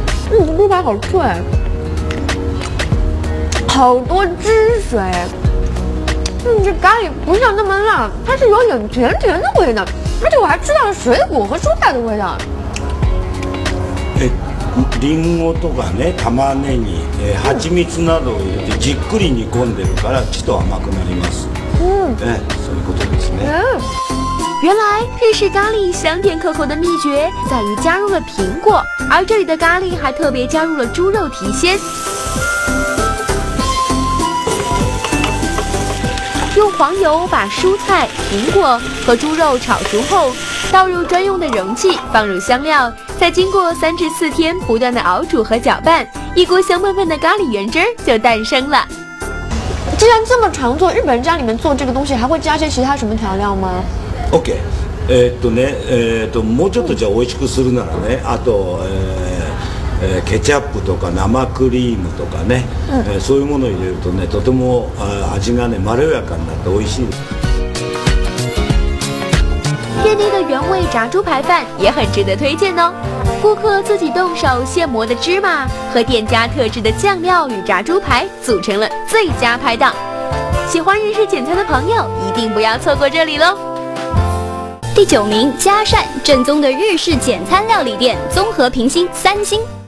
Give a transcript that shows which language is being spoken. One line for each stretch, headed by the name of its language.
Chinese: 猪排好脆，好多汁水。这咖喱不像那么辣，它是有点甜甜的味道，而且我还吃到了水果和蔬菜的味道。
Japanese: リンゴとかね、玉ねぎ、蜂蜜などを入れてじっくり煮込んでるから、ちょっと甘くなります。そういうことですね。
Chinese: 原来日式咖喱香甜可口的秘诀在于加入了苹果，而这里的咖喱还特别加入了猪肉提鲜。用黄油把蔬菜、苹果和猪肉炒熟后，倒入专用的容器，放入香料，再经过3至4天不断的熬煮和搅拌，一锅香喷喷的咖喱原汁就诞生了。既然这么常做，日本人家里面做这个东西还会加些其他什么调料吗
Japanese: ？OK， もうちょっとじゃあ美味しくするならね、あと、ケチャップとか生クリームとかね、そういうものを入れるとね、とても味がねまろやかになって美味しいです。
Chinese: 店内的原味炸猪排饭也很值得推荐哦。顾客自己动手现磨的芝麻和店家特制的酱料与炸猪排组成了最佳拍档。喜欢日式简餐的朋友一定不要错过这里喽。第九名，嘉善，正宗的日式简餐料理店，综合评星三星。